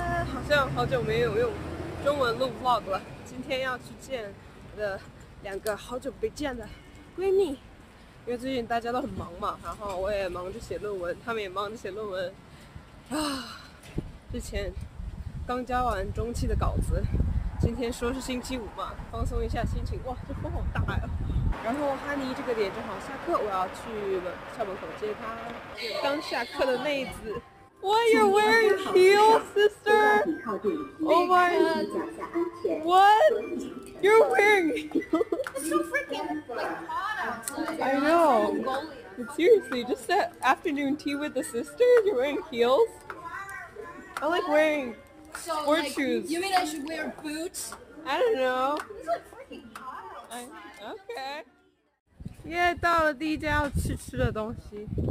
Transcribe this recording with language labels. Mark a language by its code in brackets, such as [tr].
[zh] 好像好久没有用中文录 vlog 了。今天要去见我的两个好久没见的闺蜜，因为最近大家都很忙嘛，然后我也忙着写论文，她们也忙着写论文。之前刚交完中期的稿子，今天说是星期五嘛，放松一下心情。哇，这风好大呀！然后哈尼这个点正好下课，我要去校门口接她。刚下课的妹子。 [en] What you're wearing, heels, sister? Oh my god. What? You're wearing heels. It's so freaking hot out. I know. But seriously, just that afternoon tea with the sister, you're wearing heels? I like wearing sport shoes. You mean I should wear boots? I don't know. It's like freaking hot outside. Okay. [zh] 到了第一家要吃的东西。